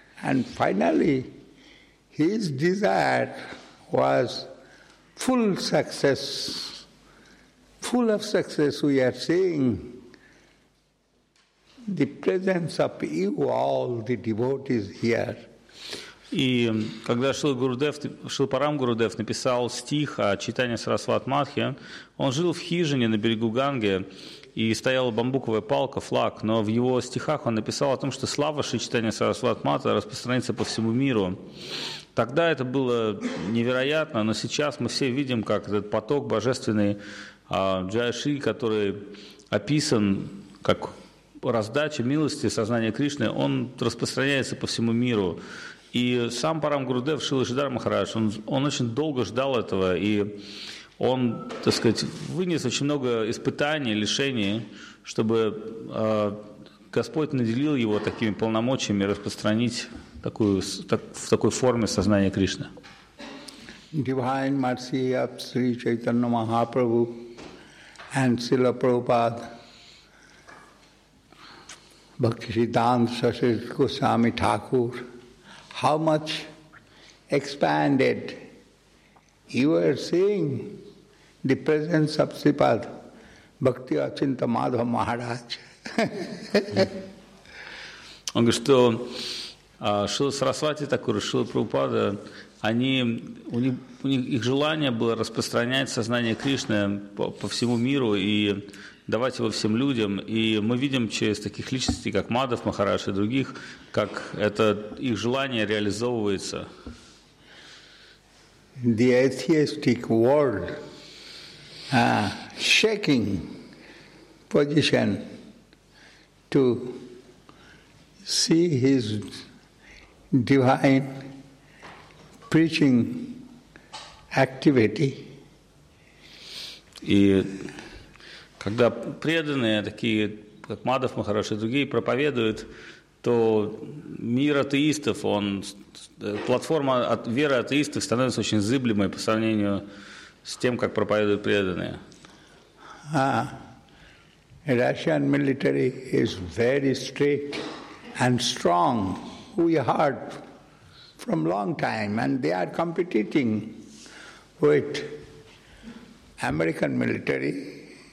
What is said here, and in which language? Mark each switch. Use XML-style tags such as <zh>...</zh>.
<en>And finally, his desire was full success. Full of success, we are seeing the presence of you all, the devotees here.</en> <ru>И когда Шрила Парам Гурудев написал стих о читании Сарасват Матхи, он жил в хижине на берегу Ганги, и стояла бамбуковая палка, флаг, но в его стихах он написал о том, что слава Шри Чайтанья Сарасват Матхи распространится по всему миру. Тогда это было невероятно, но сейчас мы все видим, как этот поток божественный Джайши, который описан как раздача милости сознания Кришны, он распространяется по всему миру. И сам Парам Гурудев Шрила Шридхар Махарадж, он очень долго ждал этого, и он, так сказать, вынес очень много испытаний, лишений, чтобы Господь наделил его такими полномочиями распространить в такой форме сознания Кришны.</ru> <en>Divine mercy of Sri Chaitanya Mahaprabhu and Srila Prabhupada Bhakti Siddhanta Sarasvati Goswami Thakur, how much expanded you are seeing the presence of Sripad Bhakti Achinta Madhava Maharaj.</en> <ru>Он говорит, что Шрила Сарасвати Такур, Шрила Прабхупада, их желание было распространять сознание Кришны по всему миру и давать его всем людям. И мы видим через таких личностей, как Мадхав Махарадж и других, как это их желание реализовывается.</ru> <en>The atheistic world shaking position to see his divine preaching activity.</en> <ru>И когда преданные, такие как Мадхав Махарадж и другие, проповедуют, то мир атеистов, платформа веры атеистов становится очень зыблемой по сравнению с тем, как проповедуют преданные.</ru> <en>Russian military is very strict and strong. We heard from long time, and they are competing with American military.</en>